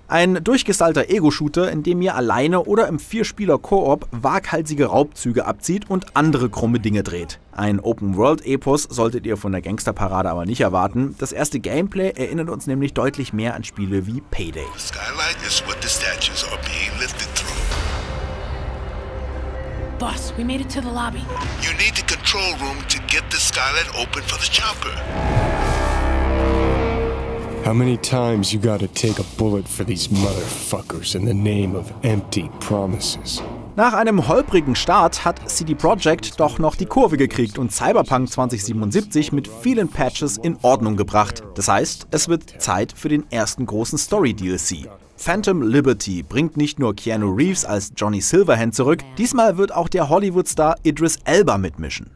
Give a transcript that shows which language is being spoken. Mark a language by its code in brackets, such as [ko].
[de] Ein durchgestylter Ego-Shooter, in dem ihr alleine oder im 4-Spieler-Koop waghalsige Raubzüge abzieht und andere krumme Dinge dreht. Ein Open-World-Epos solltet ihr von der Gangsterparade aber nicht erwarten. Das erste Gameplay erinnert uns nämlich deutlich mehr an Spiele wie Payday. [en] Skylight is what the statues are being lifted through. Boss, we made it to the lobby. You need the control room to get the skylight open for the chopper. How many times you gotta take a bullet for these motherfuckers in the name of empty promises? [de] Nach einem holprigen Start hat CD Projekt doch noch die Kurve gekriegt und Cyberpunk 2077 mit vielen Patches in Ordnung gebracht. Das heißt, es wird Zeit für den ersten großen Story-DLC. Phantom Liberty bringt nicht nur Keanu Reeves als Johnny Silverhand zurück, diesmal wird auch der Hollywood-Star Idris Elba mitmischen.